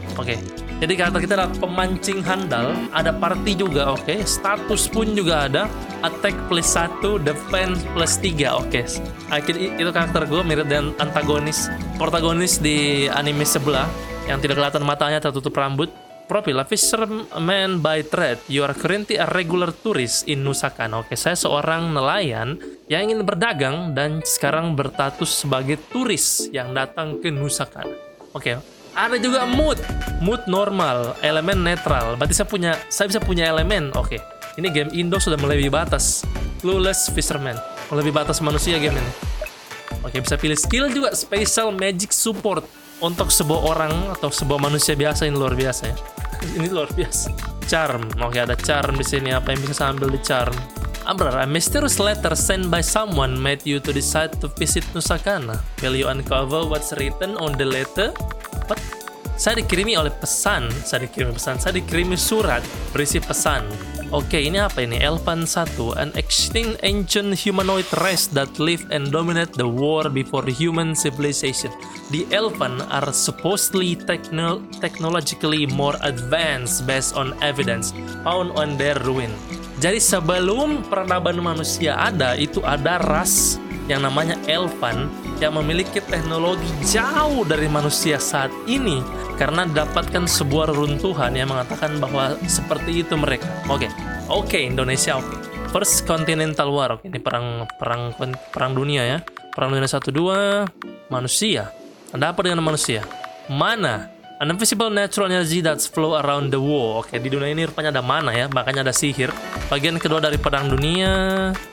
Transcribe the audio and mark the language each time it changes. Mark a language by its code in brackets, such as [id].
[id] Oke, jadi karakter kita adalah pemancing handal. Ada party juga, oke. Status pun juga ada, attack plus 1, defense plus 3, oke. Akhirnya itu karakter gue mirip dengan antagonis, protagonis di anime sebelah, yang tidak kelihatan matanya, tertutup rambut. [en] Profile, fisherman by trade. You are currently a regular tourist in Nusakan. [id] Oke, saya seorang nelayan yang ingin berdagang dan sekarang berstatus sebagai turis yang datang ke Nusakan. Oke, ada juga mood normal, elemen netral. Berarti saya bisa punya elemen. Oke, ini game Indo sudah melebihi batas. Clueless fisherman, melebihi batas manusia game ini. Oke, bisa pilih skill juga, special magic support. Untuk sebuah orang atau sebuah manusia biasa ini luar biasa ya. Ini luar biasa. Charm. Oke, ada charm di sini. Apa yang bisa saya ambil di charm? [en] Amber, a mysterious letter sent by someone made you to decide to visit Nusakana. Will you uncover what's written on the letter? What? [id] Saya dikirimi surat berisi pesan. Oke, ini apa ini? [en] Elfan 1, an extinct ancient humanoid race that lived and dominated the world before human civilization. The Elfan are supposedly technologically more advanced based on evidence found on their ruin. [id] Jadi sebelum peradaban manusia ada, itu ada ras yang namanya Elfan yang memiliki teknologi jauh dari manusia saat ini. Karena dapatkan sebuah runtuhan yang mengatakan bahwa seperti itu mereka. Oke, Indonesia, oke. First Continental War, oke. Ini perang dunia ya. Perang dunia 1-2, manusia. Anda apa dengan manusia? Mana? [en] An invisible natural energy that flow around the world. [id] Oke, di dunia ini rupanya ada mana ya, makanya ada sihir. Bagian kedua dari perang dunia.